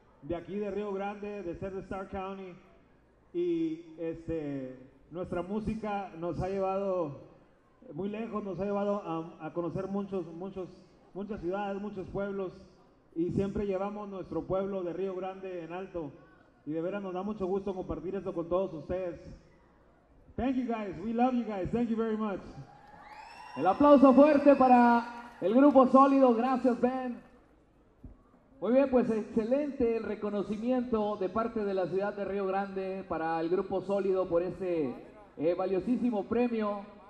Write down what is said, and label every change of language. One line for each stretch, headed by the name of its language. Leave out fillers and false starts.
Spanish: de aquí de Río Grande, de ser de Stark County, y nuestra música nos ha llevado muy lejos, nos ha llevado a conocer muchas ciudades, muchos pueblos, y siempre llevamos nuestro pueblo de Río Grande en alto, y de veras nos da mucho gusto compartir esto con todos ustedes.
English: Thank you guys, we love you guys, thank you very much.
Spanish: El aplauso fuerte para el grupo Sólido, gracias Ben. Muy bien, pues excelente el reconocimiento de parte de la ciudad de Río Grande para el grupo Sólido por este valiosísimo premio.